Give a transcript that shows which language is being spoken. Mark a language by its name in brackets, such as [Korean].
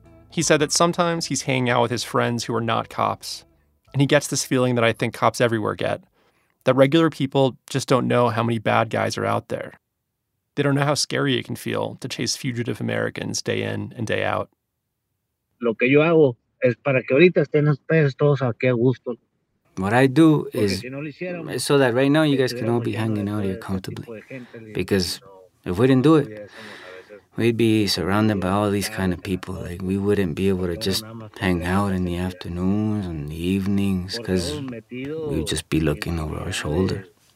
[English] He said that sometimes he's hanging out with his friends who are not cops, and he gets this feeling that I think cops everywhere get, that regular people just don't know how many bad guys are out there. They don't know how scary it can feel to chase fugitive Americans day in and day out. [Spanish] Lo que yo hago es para que ahorita estén ustedes todos aquí a gusto. [English] What I do is so that right now you guys can all be hanging out here comfortably. Because if we didn't do it, we'd be surrounded by all these kind of people. Like, we wouldn't be able to just hang out in the afternoons and the evenings because we'd just be looking over our shoulder.